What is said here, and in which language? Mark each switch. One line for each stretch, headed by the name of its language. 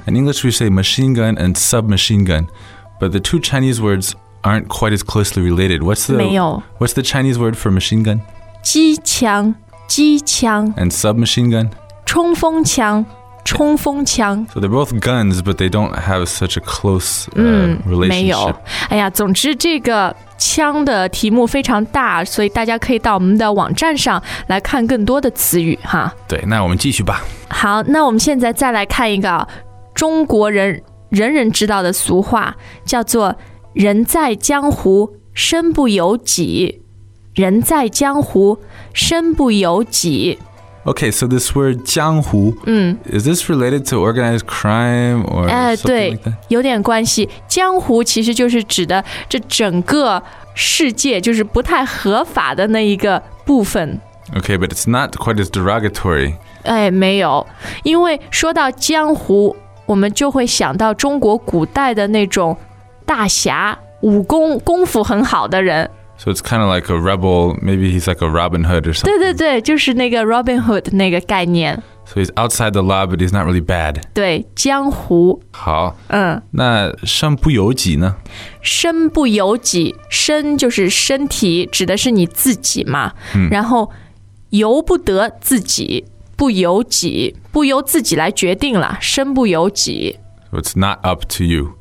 English: In English, we say machine gun and submachine gun, but the two Chinese words aren't quite as closely related. What's the Chinese word for machine gun?
Chinese: 机枪，机枪。
English: And submachine gun?
Chinese: 冲锋枪，冲锋枪。
English: So they're both guns, but they don't have such a close relationship.
Chinese: 没有。哎呀，总之这个枪的题目非常大，所以大家可以到我们的网站上来看更多的词语哈。对，那我们继续吧。好，那我们现在再来看一个中国人人人知道的俗话，叫做人在江湖身不由己。人在江湖身不由己。
English: OK, so this word 江湖，is this related to organized crime or something like that?
Chinese: 对，有点关系。江湖其实就是指的这整个世界，就是不太合法的那一个部分。
English: OK, but it's not quite as derogatory.
Chinese: 哎，没有，因为说到江湖，我们就会想到中国古代的那种大侠，武功功夫很好的人。
English: So it's kind of like a rebel, maybe he's like a Robin Hood or something.
Chinese: 对对对，就是那个 Robin Hood 那个概念。
English: So he's outside the law, but he's not really bad.
Chinese: 对，江湖。好。嗯。那身不由己呢？身不由己，身就是身体，指的是你自己嘛。嗯。然后由不得自己，不由己，不由自己来决定了，身不由己。
English: So it's not up to you.